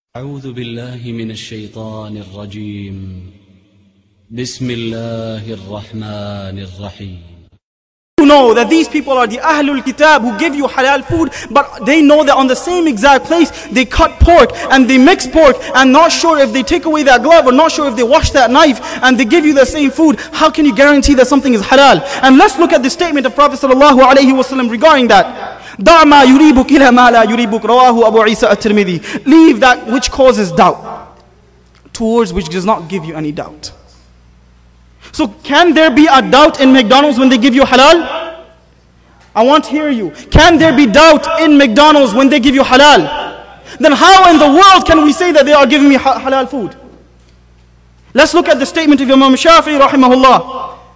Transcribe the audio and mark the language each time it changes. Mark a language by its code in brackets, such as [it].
[ar] أعوذ بالله من الشيطان الرجيم. بسم الله الرحمن الرحيم. [en] Know that these people are the Ahlul Kitab who give you halal food, but they know that on the same exact place they cut pork and they mix pork and not sure if they take away that glove or not sure if they wash that knife and they give you the same food. How can you guarantee that something is halal? And let's look at the statement of Prophet sallallahu alayhi wasallam regarding that. [ar] دع ما يريبك إلى ما لا يريبك رواه أبو عيسى الترمذي. [en] Leave that which causes doubt towards which does not give you any doubt. So can there be a doubt in McDonald's when they give you halal? I want to hear you. Can there be doubt in McDonald's when they give you halal? Then how in the world can we say that they are giving me halal food? Let's look at the statement of Imam Shafi'i rahimahullah.